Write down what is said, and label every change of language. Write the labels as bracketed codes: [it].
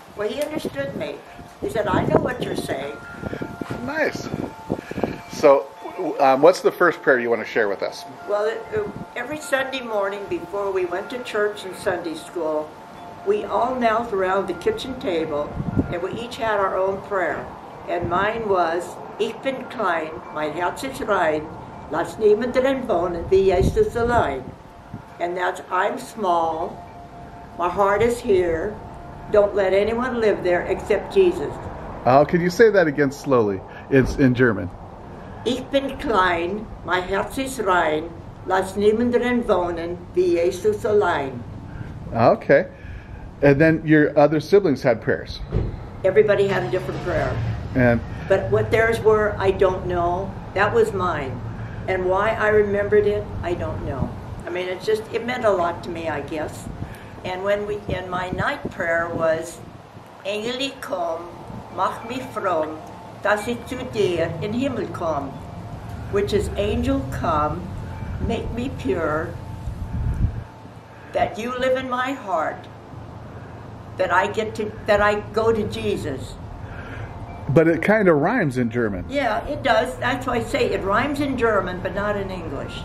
[en] Well, he understood me. He said, I know what you're saying. Nice. So what's the first prayer you want to share with us? Well, every Sunday morning before we went to church and Sunday school, we all knelt around the kitchen table, and we each had our own prayer. And mine was, [de] Ich bin klein, mein Herz ist rein, lass niemand drin wohnen, wie Jesus allein. [en] And that's, I'm small, my heart is here, don't let anyone live there except Jesus. Oh, can you say that again slowly? It's in German. [de] Ich bin klein, mein Herz ist rein, lass niemand drin wohnen, wie Jesus allein. [en] Okay. And then your other siblings had prayers. Everybody had a different prayer. And but what theirs were, I don't know. That was mine. And why I remembered it, I don't know. I mean, it meant a lot to me, I guess. And my night prayer was, [de] Engel komm, mach mich fromm, dass ich zu dir in Himmel komm. [en] Which is, angel come, make me pure, that you live in my heart, that I go to Jesus. But it kind of rhymes in German. Yeah, it does. That's why I say it rhymes in German, but not in English.